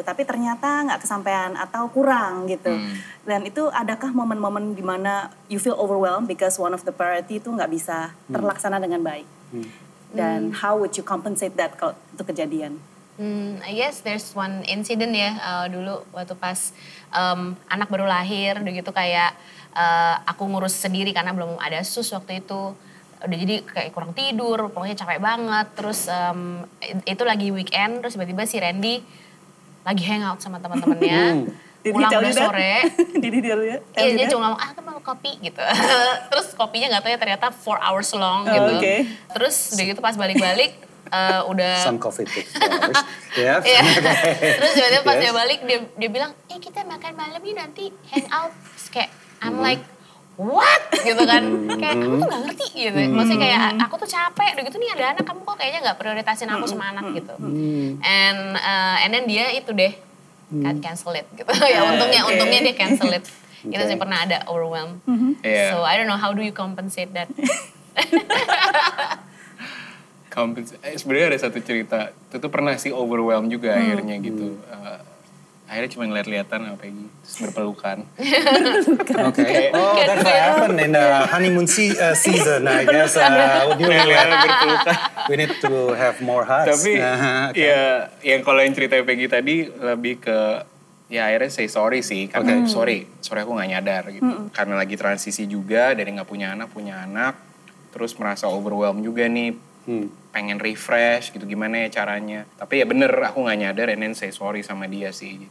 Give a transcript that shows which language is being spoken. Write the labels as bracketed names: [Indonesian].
[Indonesian] Tapi ternyata gak kesampaian atau kurang gitu. Dan itu adakah momen-momen dimana [English] you feel overwhelmed because one of the priority [Indonesian] itu gak bisa terlaksana dengan baik. [English] Dan how would you compensate that [Indonesian] kalau itu kejadian? [English] I guess there's one incident ya. [Indonesian] Dulu waktu pas anak baru lahir gitu, kayak aku ngurus sendiri karena belum ada sus waktu itu. Udah jadi kayak kurang tidur, pokoknya capek banget. Terus itu lagi weekend, terus tiba-tiba si Randy lagi hangout sama teman-temannya. Pulang udah sore. Dia cuma ngomong, aku mau kopi gitu. Terus kopinya gak tau ya ternyata [English] 4 hours long [Indonesian] gitu. Terus udah gitu pas balik-balik udah... [English] Some coffee takes 4 hours. [Indonesian] Terus tiba-tiba pas dia balik dia bilang, eh kita makan malam yuk nanti hangout. Terus kayak [English] I'm like... what? [Indonesian] Gitu kan. Kayak kamu tuh gak ngerti gitu. Maksudnya kayak aku tuh capek. Udah gitu nih ada anak, kamu kok kayaknya gak prioritasin aku sama anak gitu. [English] And then [Indonesian] dia itu deh. kan [English] cancel it [Indonesian] gitu. Ya untungnya okay. Untungnya dia cancel it. Okay. Kita sih pernah ada overwhelm. Mm-hmm. Yeah. [English] So I don't know how do you compensate that. [Indonesian] Sebenarnya ada satu cerita, itu tuh pernah sih overwhelm juga akhirnya gitu. Akhirnya cuma ngeliat-liatan sama Peggy, terus berpelukan. Oke. Okay. [English] Oh, that's what happened in the honeymoon season, I guess. [Indonesian] berpelukan. [English] We need to have more hugs. [Indonesian] Tapi, okay. Ya, yang kalau yang ceritanya Peggy tadi, lebih ke, ya akhirnya say sorry sih. Karena sorry aku gak nyadar gitu. Mm-hmm. Karena lagi transisi juga, dari gak punya anak, terus merasa overwhelm juga nih. Pengen refresh gitu, gimana ya caranya. Tapi ya bener, aku gak nyadar, [English] and then say sorry [Indonesian] sama dia sih.